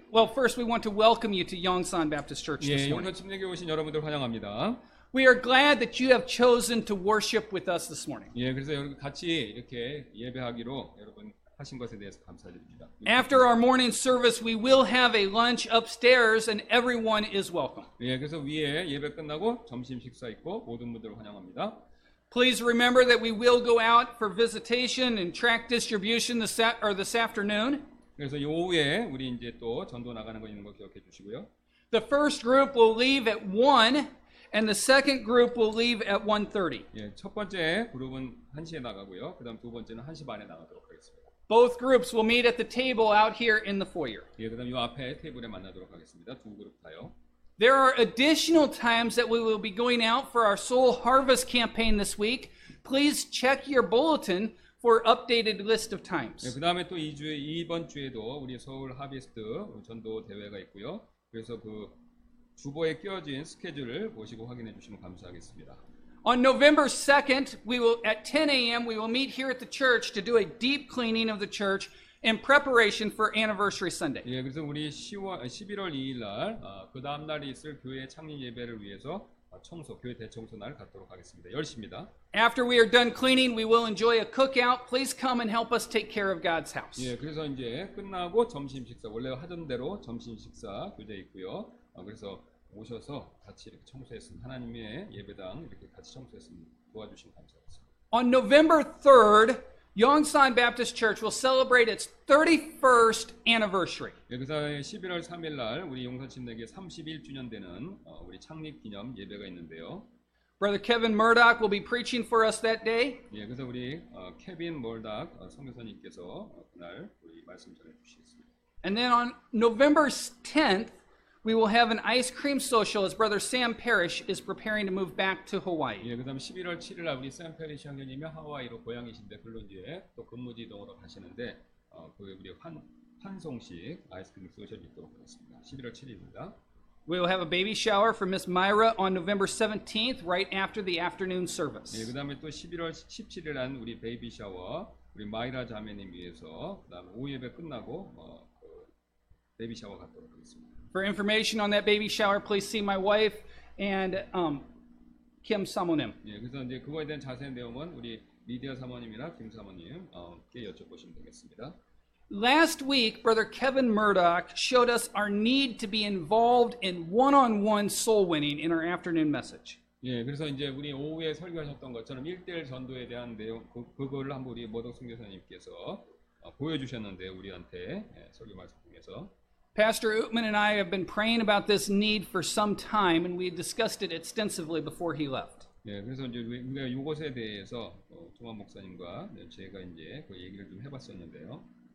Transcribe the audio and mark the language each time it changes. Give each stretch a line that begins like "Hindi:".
English: Well, first we want to welcome you to Yongsan Baptist Church.
Korean: 예, 오늘 침례교회 오신 여러분들 환영합니다.
English: We are glad that you have chosen to worship with us this morning.
Korean: 예, 그래서 여러분 같이 이렇게 예배하기로 여러분 하신 것에 대해서 감사드립니다.
English: After our morning service, we will have a lunch upstairs, and everyone is welcome.
Korean: 예, 그래서 위에 예배 끝나고 점심 식사 있고 모든 분들 환영합니다.
English: Please remember that we will go out for visitation and track distribution this afternoon.
Korean: 그래서 이 오후에 우리 이제 또 전도 나가는 거 있는 거 기억해 주시고요.
English: The first group will leave at 1 and the second group will leave at 1:30.
Korean: 예, 첫 번째 그룹은 1시에 나가고요. 그다음 두 번째는 1시 반에 나가도록 하겠습니다.
English: Both groups will meet at the table out here in the foyer.
Korean: 예, 그다음 이 앞에 테이블에 만나도록 하겠습니다. 두 그룹 다요.
English: There are additional times that we will be going out for our soul harvest campaign this week. Please check your bulletin for updated list of times.
Korean: 네, 그다음에 또 2주에 이번 주에도 우리 서울 하비스트 전도 대회가 있고요. 그래서 그 주보에 끼워진 스케줄을 보시고 확인해 주시면 감사하겠습니다.
English: On November 2nd, we will at 10 a.m. we will meet here at the church to do a deep cleaning of the church in preparation for anniversary Sunday.
Korean: 예, 그래서 우리 11월 2일 날 그 다음 날이 있을 교회 창립 예배를 위해서 청소, 교회 대청소 날 갖도록 하겠습니다. 10시입니다.
English: After we are done cleaning, we will enjoy a cookout. Please come and help us take care of God's house.
Korean: 예, 그래서 이제 끝나고 점심 식사 원래 하던 대로 점심 식사 교제 있고요. 그래서 오셔서 같이 이렇게 청소했으면 하나님의 예배당 이렇게 같이 청소했으면 도와주시면 감사하겠습니다.
English: On November 3rd, Yongsan Baptist Church will celebrate its 31st anniversary.
Korean: 11월 3일 날 우리 용산 침례교회 31주년 되는 우리 창립 기념 예배가 있는데요.
English: Brother Kevin Murdoch will be preaching for us that day.
Korean: 예, 그래서 우리 케빈 머닥 선교사님께서 그날 우리 말씀 전해 주시겠습니다.
English: And then on November 10th, we will have an ice cream social as Brother Sam Parrish is preparing to move back to Hawaii.
Korean: 예, 그다음 11월 7일 날 우리 샘 페리시 형제님이 하와이로 고향이신데 물론 이제 또 근무 지동으로 가시는데 거기 우리 환송식 아이스크림 소셜이 있도록 하겠습니다. 11월 7일입니다.
English: We will have a baby shower for Miss Myra on November 17th right after the afternoon service.
Korean: 예, 그다음에 또 11월 17일 날 우리 베이비 샤워 우리 마이라 자매님 위해서 그다음 오후 예배 끝나고 그 베이비 샤워 갖도록 하겠습니다.
English: For information on that baby shower, please see my wife and Kim 사모님.
Korean: 예, 그래서 이제 그거에 대한 자세한 내용은 우리 미디어 사모님이나 김 사모님께 여쭤보시면 되겠습니다.
English: Last week, Brother Kevin Murdoch showed us our need to be involved in one-on-one soul winning in our afternoon message.
Korean: 예, 그래서 이제 우리 오후에 설교하셨던 것처럼 1대1 전도에 대한 내용, 그거를 한번 우리 모덕 선교사님께서 보여주셨는데 우리한테 설교 말씀 중에서.
English: Pastor Utman and I have been praying about this need for some time, and we discussed it extensively before he left.
Korean: 예, 그래서 이제 우리가 이것에 대해서 조만 목사님과 제가 이제 그 얘기를 좀 해봤었는데요.